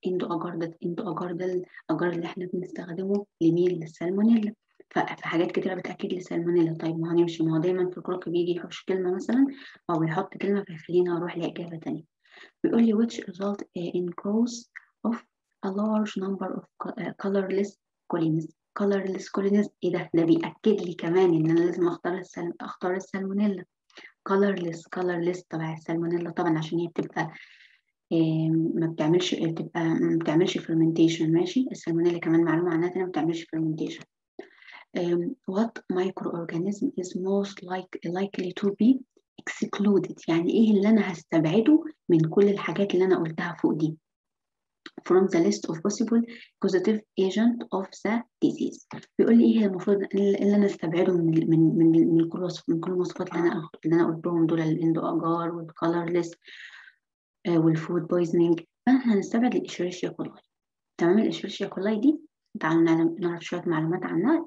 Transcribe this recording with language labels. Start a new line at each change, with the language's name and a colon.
Arabic: endo agar ده endo agar ده الاجار اللي احنا بنستخدمه لمين؟ للسالمونيلا. في حاجات كتيرة بتأكد للسالمونيلا. طيب ما هنمشي، ما هو دايما في الكروك بيجي يحوش كلمة مثلا أو يحط كلمة، فخلينا أروح لإجابة تانية. بيقول لي
English: which result in cause of a large number of colorless colonies.
Arabic: colorless colonies إيه ده؟ ده بيأكد لي كمان إن أنا لازم أختار السالمونيلا. colorless طبعا السالمونيلا طبعا عشان هي بتبقى ما بتعملش fermentation. ماشي، السالمونيلا كمان معلومة عنها تانية، ما بتعملش fermentation.
English: What microorganism is most likely to be excluded؟
Arabic: يعني إيه اللي أنا هستبعده من كل الحاجات اللي أنا قلتها فوق دي؟
English: From the list of possible causative agent of the disease.
Arabic: بيقول لي إيه المفروض اللي أنا استبعده من كل الوصفات اللي أنا قلتهم دول، الإندو أجار والكالرلس والفود بويزنينج. فأنا هنستبعد الإشيريشيا كولاي. تمام، الإشيريشيا كولاي دي تعالوا نعرف شوية معلومات عنها.